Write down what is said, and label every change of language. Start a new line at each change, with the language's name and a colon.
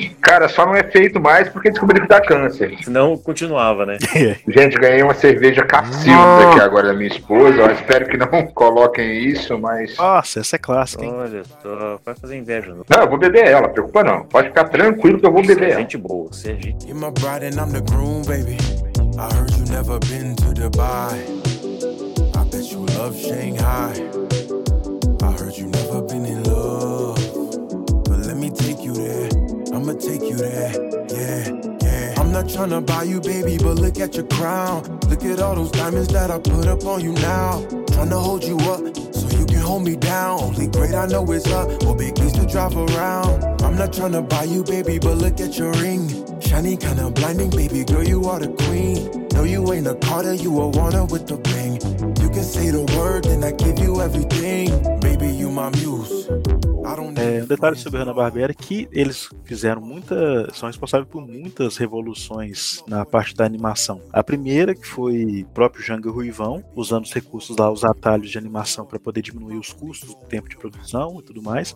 Portuguese: Cara, só não é feito mais porque descobriu que dá câncer. Senão continuava, né? Gente, ganhei uma cerveja Cassilda aqui agora da minha esposa, eu espero que não coloquem isso, mas... Nossa, essa é clássica, hein? Olha, vai fazer inveja. Não. Não, eu vou beber ela, preocupa não. Pode ficar tranquilo que eu vou beber ela. Gente boa, você é gente.
English: You're my bride and I'm the groom, baby. I heard you never been to Dubai. I bet you love Shanghai. I heard you never been in love. But let me take you there. I'ma take you there. Yeah, yeah. I'm not tryna buy you, baby, but look at your crown. Look at all those diamonds that I put up on you now. Tryna hold you up so you can hold me down. Only grade I know is up. Well, big beast to drive around. I'm not tryna buy you, baby, but look at your ring. Shiny, kinda blinding, baby girl, you are the queen. No, you ain't a Carter, you a wanter with the bling. You can say the word, then I give you everything. Baby, you my muse.
Portuguese: Um detalhe sobre Hanna-Barbera é que eles fizeram muita, são responsáveis por muitas revoluções na parte da animação. A primeira, que foi o próprio Jango Ruivão, usando os recursos lá, os atalhos de animação para poder diminuir os custos, o tempo de produção e tudo mais.